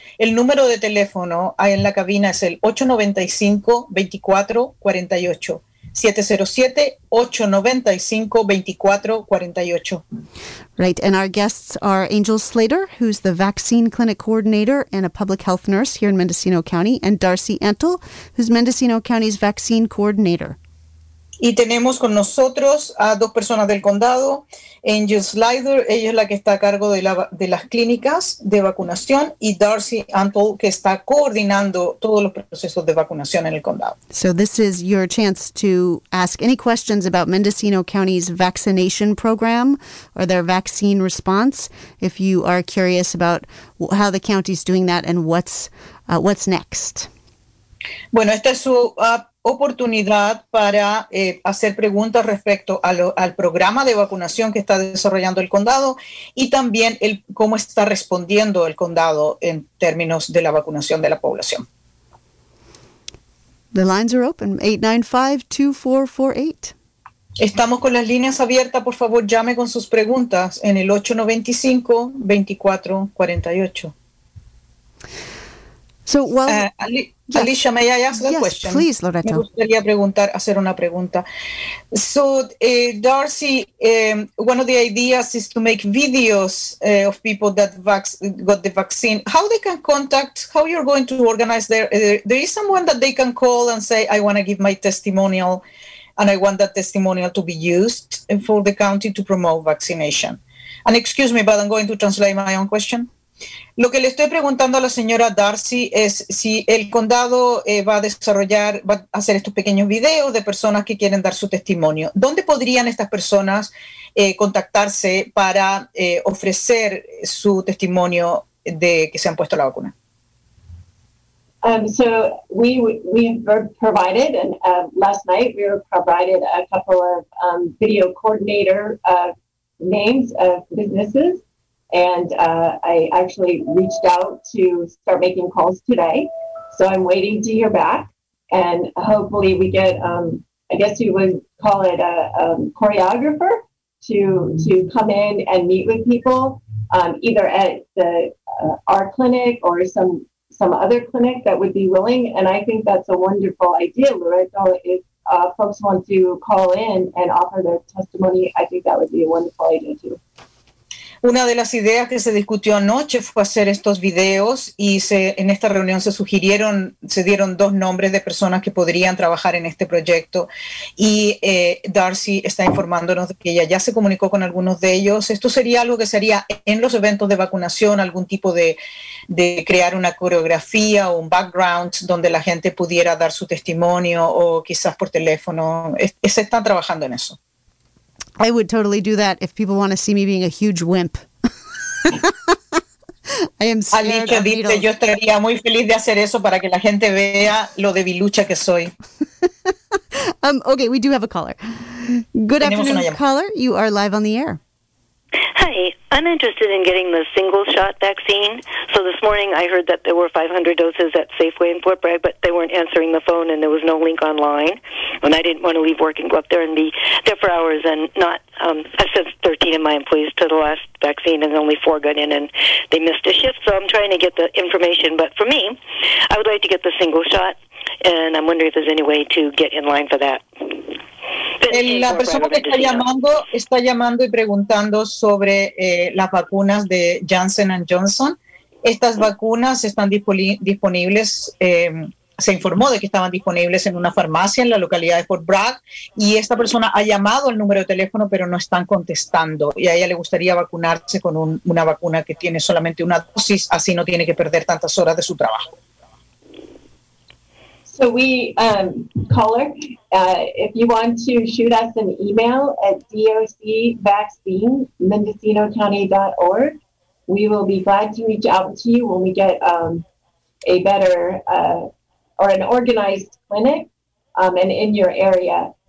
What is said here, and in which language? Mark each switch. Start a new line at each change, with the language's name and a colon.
Spanish: El número de teléfono ahí en la cabina es el 895-2448. 707-895-2448.
English: Right, and our guests are Angel Slater, who's the Vaccine Clinic Coordinator and a public health nurse here in Mendocino County, and Darcy Antle, who's Mendocino County's Vaccine Coordinator.
Spanish: Y tenemos con nosotros a dos personas del condado, Angel Slater, ella es la que está a cargo de las clínicas de vacunación, y Darcy Antle, que está coordinando todos los procesos de vacunación en el condado.
English: So this is your chance to ask any questions about Mendocino County's vaccination program or their vaccine response, if you are curious about how the county's doing that and what's next.
Spanish: Bueno, esta es su oportunidad para hacer preguntas respecto al programa de vacunación que está desarrollando el condado y también cómo está respondiendo el condado en términos de la vacunación de la población.
English: The lines are open, 895-2448.
Spanish: Estamos con las líneas abiertas, por favor llame con sus preguntas en el 895-2448.
English: So, well, yes. Alicia, may I ask a question? Yes, please, Loreto.
Spanish: Me gustaría hacer una pregunta.
English: So, Darcy, one of the ideas is to make videos of people that got the vaccine. How they can contact, how you're going to organize there is someone that they can call and say, I want to give my testimonial, and I want that testimonial to be used for the county to promote vaccination. And excuse me, but I'm going to translate my own question.
Spanish: Lo que le estoy preguntando a la señora Darcy es si el condado va a hacer estos pequeños videos de personas que quieren dar su testimonio. ¿Dónde podrían estas personas contactarse para ofrecer su testimonio de que se han puesto la vacuna?
English: So we were provided, and last night we were provided a couple of video coordinator names of businesses. And I actually reached out to start making calls today. So I'm waiting to hear back. And hopefully we get, I guess you would call it a choreographer to come in and meet with people, either at the our clinic or some other clinic that would be willing. And I think that's a wonderful idea, Loretta. If folks want to call in and offer their testimony, I think that would be a wonderful idea too.
Spanish: Una de las ideas que se discutió anoche fue hacer estos videos y en esta reunión se dieron dos nombres de personas que podrían trabajar en este proyecto y Darcy está informándonos de que ella ya se comunicó con algunos de ellos. Esto sería algo que se haría en los eventos de vacunación, algún tipo de crear una coreografía o un background donde la gente pudiera dar su testimonio o quizás por teléfono. Se están trabajando en eso.
English: I would totally do that if people want to see me being a huge wimp. I am scared of needles.
Spanish: Alicia dice, yo estaría muy feliz de hacer eso para que la gente vea lo debilucha que soy.
English: Okay, we do have a caller. Good afternoon, caller. You are live on the air. Hi, I'm interested in getting the single shot vaccine. So this morning I heard that there were 500 doses at Safeway in Fort Bragg, but they weren't answering the phone and there was no link online. And I didn't want to leave work and go up there and be there for hours and not, I sent 13 of my employees to the last vaccine and only four got in and they missed a shift. So I'm trying to get the information. But for me, I would like to get the single shot and I'm wondering if there's any way to get in line for that.
Spanish: La persona que está llamando y preguntando sobre las vacunas de Janssen & Johnson. Estas vacunas están disponibles, se informó de que estaban disponibles en una farmacia en la localidad de Fort Bragg y esta persona ha llamado al número de teléfono pero no están contestando y a ella le gustaría vacunarse con una vacuna que tiene solamente una dosis, así no tiene que perder tantas horas de su trabajo.
English: So we, caller, if you want to shoot us an email at docvaccine@mendocinocounty.org, we will be glad to reach out to you when we get a better or an organized clinic and in your area.